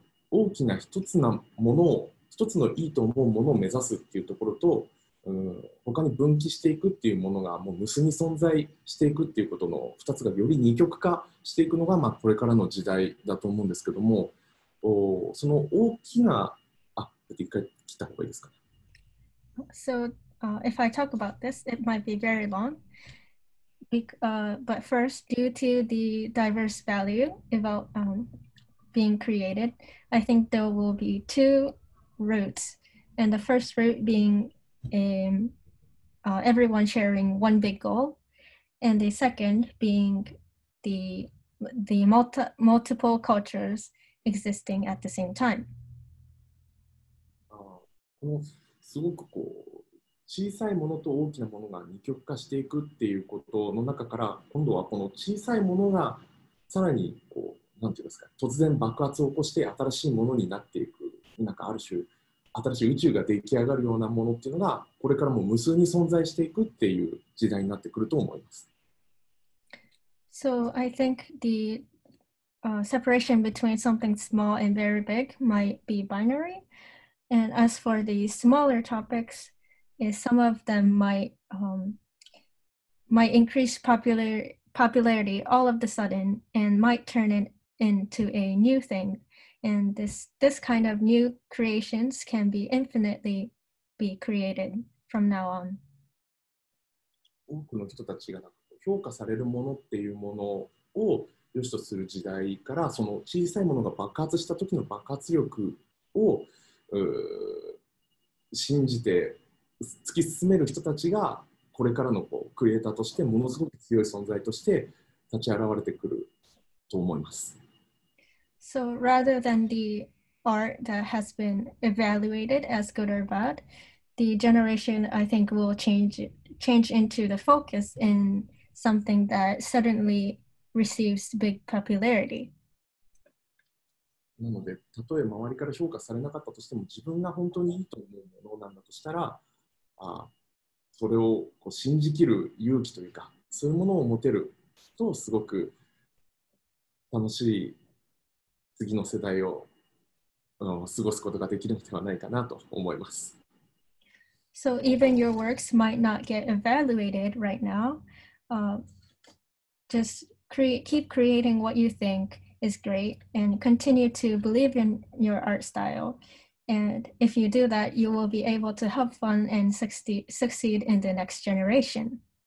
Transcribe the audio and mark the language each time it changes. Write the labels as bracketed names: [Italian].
[Japanese] 大きな一つなものを一つのいいと思うものを目指すっていうところと、うん、他に分岐していくっていうものがもう無数に存在していくっていうことの二つがより二極化していくのが、まあ、これからの時代だと思うんですけども、その大きな、一回聞いた方がいいですか。 [English] So, if I talk about this, it might be very long. But first, due to the diverse value about being created, I think there will be two routes. And the first route being everyone sharing one big goal, and the second being the multiple cultures existing at the same time. [Japanese] このすごくこう小さいものと大きなものが二極化していくっていうことの中から、今度はこの小さいものがさらにこうなんていうんですか、突然爆発を起こして新しいものになっていく、なんかある種新しい宇宙が出来上がるようなものっていうのが、これからも無数に存在していくっていう時代になってくると思います。 [English] So I think the separation between something small and very big might be binary. And as for the smaller topics, some of them might increase popularity all of the sudden and might turn it into a new thing. And this kind of new creations can be infinitely be created from now on. [Japanese] 多くの人たちが評価されるものっていうものを良しとする時代から、その小さいものが爆発した時の爆発力を信じて突き進める人たちが、これからのこうクリエイターとしてものすごく強い存在として立ち現れてくると思います。 [English] So rather than the art that has been evaluated as good or bad, the generation I think will change into the focus in something that suddenly receives big popularity. [Japanese] なので、たとえ周りから評価されなかったとしても、自分が本当にいいと思うものなんだとしたら、それをこう信じきる勇気というか、そういうものを持てるとすごく楽しい。次の世代を過ごすことができるのではないかなと思います。 [English] So even your works might not get evaluated right now. Just keep creating what you think is great and continue to believe in your art style. And if you do that, you will be able to have fun and succeed in the next generation.